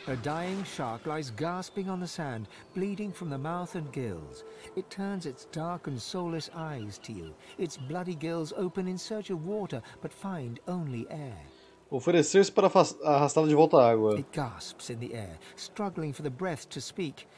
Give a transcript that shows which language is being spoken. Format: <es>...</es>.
<en>A dying shark lies gasping on the sand, bleeding from the mouth and gills. It turns its dark and soulless eyes to you. Its bloody gills open in search of water, but find only air.</en> <pt>Oferecer-se para arrastá-la de volta à água.</pt> <en>It gasps in the air, struggling for the breath to speak.</en>